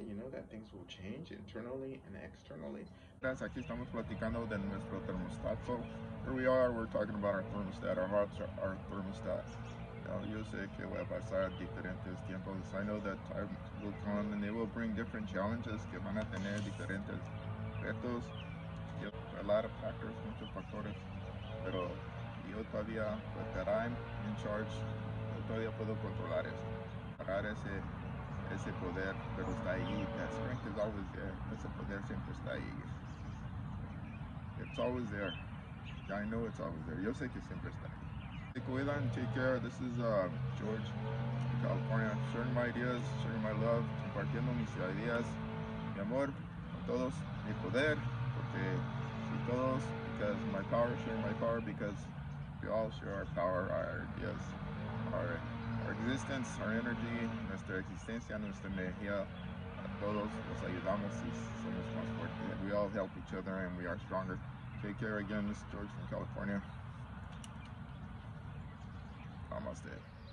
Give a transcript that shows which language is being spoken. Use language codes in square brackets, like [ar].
[en] You know that things will change internally and externally. [es] Aquí estamos platicando de nuestro termostato. [en] Here we are, we're talking about our thermostat. Our hearts are our thermostat. [es] Yo sé que voy a pasar diferentes tiempos. [en] I know that time will come and they will bring different challenges, [es] que van a tener diferentes retos. [en] A lot of factors, [es] muchos factores. Pero yo todavía, [en] but that I'm in charge, [es] todavía puedo controlar esto. Parar ese poder, pero está ahí. [en] That strength is always there. [es] Ese poder siempre está ahí. [en] It's always there. I know it's always there. [es] Yo sé que siempre está ahí. [en] Take cuidan, take care. This is George, California. Sharing my ideas, sharing my love, [es] compartiendo mis ideas, mi amor, a todos, mi poder, porque si todos, [en] because my power, sharing my power, because we all share our power, our ideas, our existence, our energy, [es] nuestra existencia, nuestra energía. A todos nos ayudamos y somos más fuertes. [en] We all help each other and we are stronger. Take care again, this is George from California. Namaste.